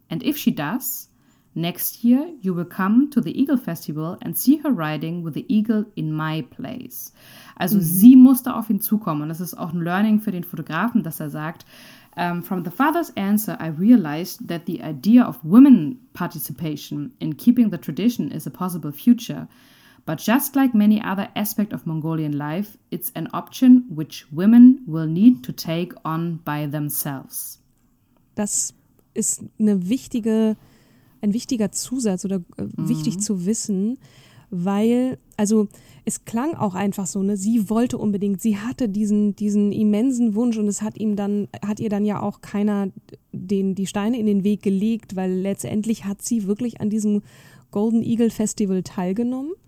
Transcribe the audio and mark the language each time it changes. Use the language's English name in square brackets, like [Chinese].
[English] And if she does, next year you will come to the Eagle Festival and see her riding with the eagle in my place. [German] Also sie musste auf ihn zukommen. Und das ist auch ein Learning für den Fotografen, dass er sagt, [English] from the father's answer, I realized that the idea of women participation in keeping the tradition is a possible future. But just like many other aspects of Mongolian life, it's an option which women will need to take on by themselves. [German] Das ist ein wichtiger Zusatz oder wichtig zu wissen, weil, also es klang auch einfach so, ne, sie wollte unbedingt, sie hatte diesen immensen Wunsch und es hat ihr dann ja auch keiner die Steine in den Weg gelegt, weil letztendlich hat sie wirklich an diesem Golden Eagle Festival teilgenommen.